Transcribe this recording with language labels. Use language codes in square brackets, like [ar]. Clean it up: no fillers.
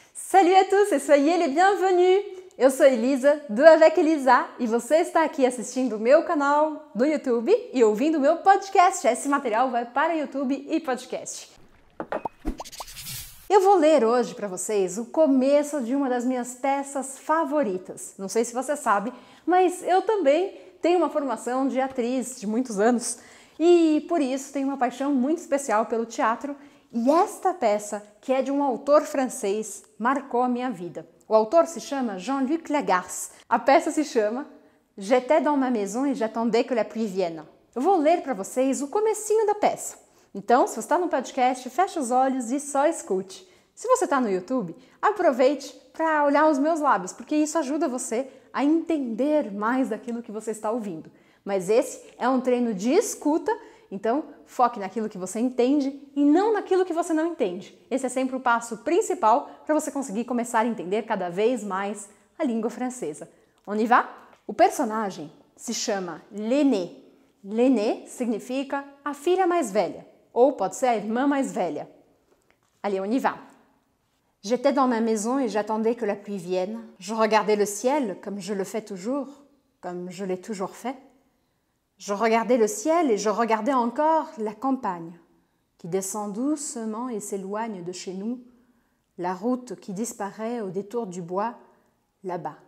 [fr] Salut à tous e soyez les bienvenus! [pt] Eu sou Elisa, do Avec Elisa, e você está aqui assistindo o meu canal no YouTube e ouvindo o meu podcast. Esse material vai para YouTube e podcast. Eu vou ler hoje para vocês o começo de uma das minhas peças favoritas. Não sei se você sabe, mas eu também tenho uma formação de atriz de muitos anos e por isso tenho uma paixão muito especial pelo teatro. E esta peça, que é de um autor francês, marcou a minha vida. O autor se chama Jean-Luc Lagarce. A peça se chama J'étais dans ma maison et j'attendais que la pluie vienne. Eu vou ler para vocês o comecinho da peça. Então, se você está no podcast, fecha os olhos e só escute. Se você está no YouTube, aproveite para olhar os meus lábios, porque isso ajuda você a entender mais daquilo que você está ouvindo. Mas esse é um treino de escuta. Então, foque naquilo que você entende e não naquilo que você não entende. Esse é sempre o passo principal para você conseguir começar a entender cada vez mais a língua francesa. [fr] On y va? [pt] O personagem se chama Lenée. Lenée significa a filha mais velha, ou pode ser a irmã mais velha. [fr] Allez, on y va. J'étais dans ma maison et j'attendais que la pluie vienne. Je regardais le ciel comme je le fais toujours, comme je l'ai toujours fait. Je regardais le ciel et je regardais encore la campagne qui descend doucement et s'éloigne de chez nous, la route qui disparaît au détour du bois, là-bas.